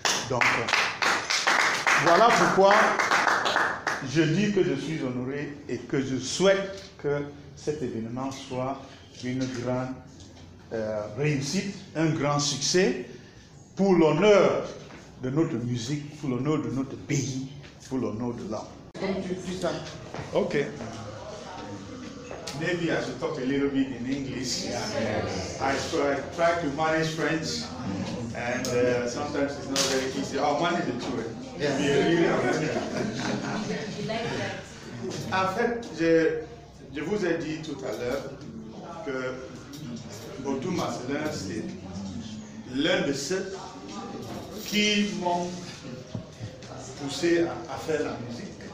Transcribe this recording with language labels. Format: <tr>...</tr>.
<fr>Donc, voilà pourquoi je dis que je suis honoré et que je souhaite que cet événement soit une grande réussite, un grand succès pour l'honneur de notre musique, pour l'honneur de notre pays, pour l'honneur de l'homme. Comme tu dis ça. Ok.</fr> <en>Maybe I should talk a little bit in English. Yes. I try to manage French and sometimes it's not very easy. I'll manage the tour. Yes.</en> <fr>En fait, je vous ai dit tout à l'heure que Otto Marcellin, c'est l'un de ceux qui m'ont poussé à faire la musique.</fr>